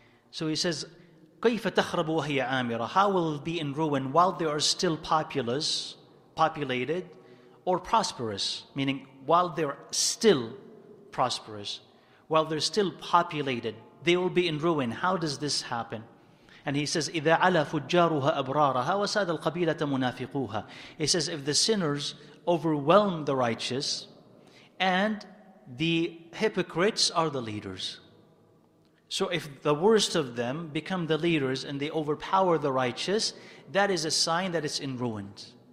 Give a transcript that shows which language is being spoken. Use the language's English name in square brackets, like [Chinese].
[English] So he says, [Arabic] كَيْفَ تَخْرَبُ وَهِيَ عَامِرَىٰ. [English] How will it be in ruin while they are still populated or prosperous? Meaning, while they're still prosperous, while they're still populated, they will be in ruin. How does this happen? And he says, [Arabic] إِذَا عَلَى فُجَّارُهَا أَبْرَارَهَا وَسَادَ الْقَبِيلَةَ مُنَافِقُوهَا. [English] He says, if the sinners overwhelm the righteous and the hypocrites are the leaders. So if the worst of them become the leaders and they overpower the righteous, that is a sign that it's in ruins.